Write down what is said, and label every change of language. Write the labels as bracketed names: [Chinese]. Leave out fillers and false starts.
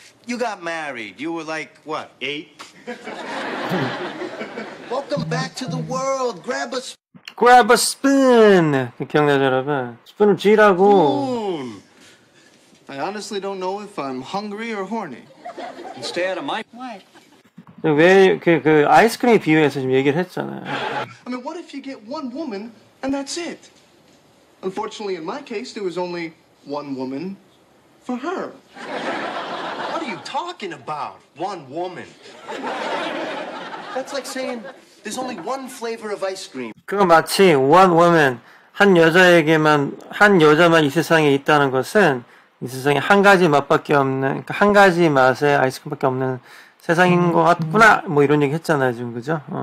[English] You got married. You were like what? 8? Welcome back to the world. Grab a. [Korean] Grab a spoon. 기억나죠, 여러분? 스푼을 쥐라고. [English] I honestly don't know if I'm hungry or horny. And stay out of my. What? [Korean] 왜 그 아이스크림 비유해서 지금 얘기를 했잖아요. [English] I mean, what if you get one woman and that's it? Unfortunately, in my case, there was only one woman for her. What are you talking about? One woman. That's like saying there's only one flavor of ice cream. [Korean] 그거 마치 one woman 한 여자에게만 한 여자만 이 세상에 있다는 것은 이 세상에 한 가지 맛밖에 없는 그러니까 한 가지 맛의 아이스크림밖에 없는 세상인 것 같구나 뭐 이런 얘기 했잖아요 지금 그죠?